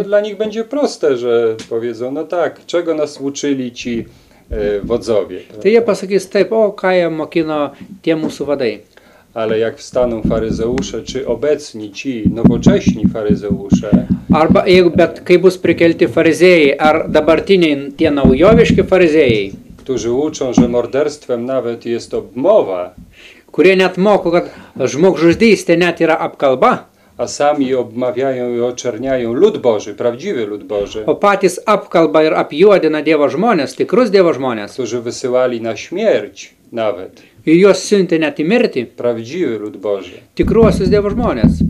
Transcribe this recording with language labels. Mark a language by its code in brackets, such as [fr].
[pl] To dla nich będzie proste, że powiedzą, no tak, czego nas uczyli ci wodzowie. [lt] Tai jie pasakys taip, o ką jie mokino tie mūsų vadai. [pl] Ale jak wstaną faryzeusze, czy obecni ci nowocześni faryzeusze... [lt] Arba, bet kai bus prikelti faryzejai, ar dabartiniai tie naujoviški faryzejai... [pl] Którzy uczą, że morderstwem nawet jest to mowa... [lt] Kurie net moko, kad žmogžudystė net yra apkalba... [pl] A sami obmawiają i oczerniają lud Boży, prawdziwy lud Boży. [lt] O patys apkalba ir apjuodina Dievo žmonės, tikrus Dievo žmonės. [pl] Którzy wysyłali na śmierć nawet. [lt] I juos siuntė net į mirtį. [pl] Prawdziwy lud Boży. [lt] Tikruosius Dievo žmonės.